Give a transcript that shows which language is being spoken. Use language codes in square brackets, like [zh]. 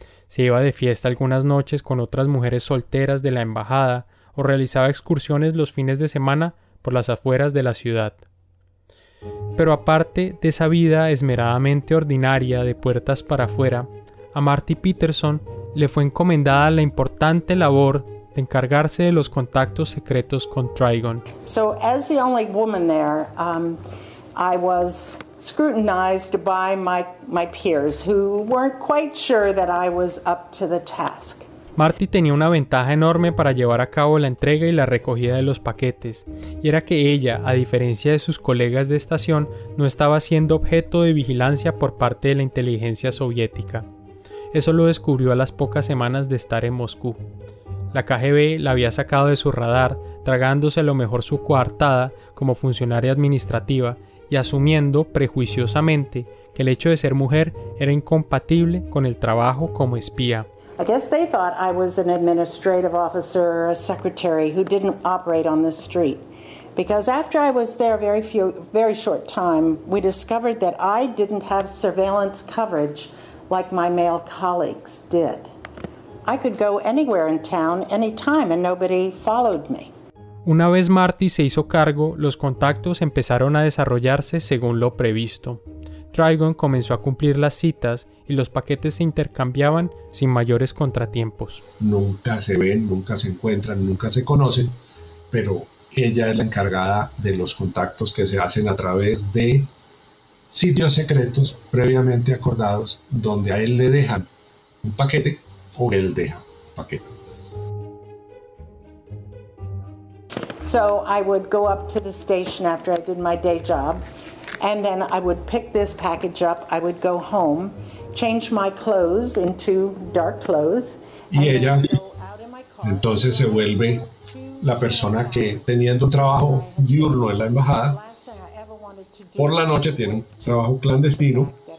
[es] Se iba de fiesta algunas noches con otras mujeres solteras de la embajada o realizaba excursiones los fines de semana por las afueras de la ciudad. Pero aparte de esa vida esmeradamente ordinaria de puertas para afuera, a Marty Peterson le fue encomendada la importante labor de encargarse de los contactos secretos con Trigon. [en] So as the only woman there, I was scrutinized by my peers who weren't quite sure that I was up to the task. [es] Marty tenía una ventaja enorme para llevar a cabo la entrega y la recogida de los paquetes, y era que ella, a diferencia de sus colegas de estación, no estaba siendo objeto de vigilancia por parte de la inteligencia soviética. Eso lo descubrió a las pocas semanas de estar en Moscú. La KGB la había sacado de su radar, tragándose a lo mejor su coartada como funcionaria administrativa y asumiendo, prejuiciosamente, que el hecho de ser mujer era incompatible con el trabajo como espía. [en] I guess they thought I was an administrative officer or a secretary who didn't operate on the street. Because after I was there very short time, we discovered that I didn't have surveillance coverage like my male colleagues did. I could go anywhere in town anytime and nobody followed me. [es] Una vez Marty se hizo cargo, los contactos empezaron a desarrollarse según lo previsto. Trigon comenzó a cumplir las citas y los paquetes se intercambiaban sin mayores contratiempos. Nunca se ven, nunca se encuentran, nunca se conocen, pero ella es la encargada de los contactos que se hacen a través de sitios secretos previamente acordados donde a él le dejan un paquete o él deja un paquete. [en] So I would go up to the station after I did my day job. And then I would pick this package up, I would go home, change my clothes into dark clothes. [es] Y ella entonces se vuelve la persona que, teniendo trabajo diurno en la embajada, por la noche tiene un trabajo clandestino